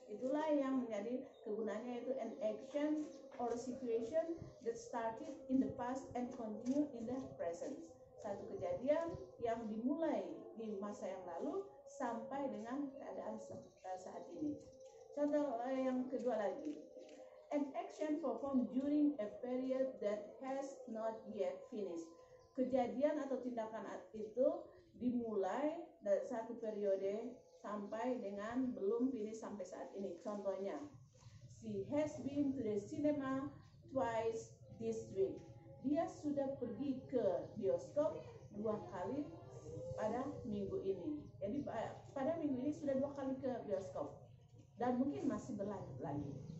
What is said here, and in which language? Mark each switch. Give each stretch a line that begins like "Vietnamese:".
Indonesian: Itulah yang menjadi kegunaannya, yaitu
English: an action or a situation that started in the past and continue in the present.
Indonesian: Satu kejadian yang dimulai di masa yang lalu sampai dengan keadaan saat ini. Contoh yang kedua lagi.
English: An action performed during a period that has not yet finished.
Indonesian: Kejadian atau tindakan itu dimulai dari satu periode sampai dengan belum finish sampai saat ini.
English: Contohnya, she has been to the cinema twice this week.
Indonesian: Dia sudah pergi ke bioskop dua kali pada minggu ini. Jadi pada minggu ini sudah dua kali ke bioskop dan mungkin masih berlanjut lagi.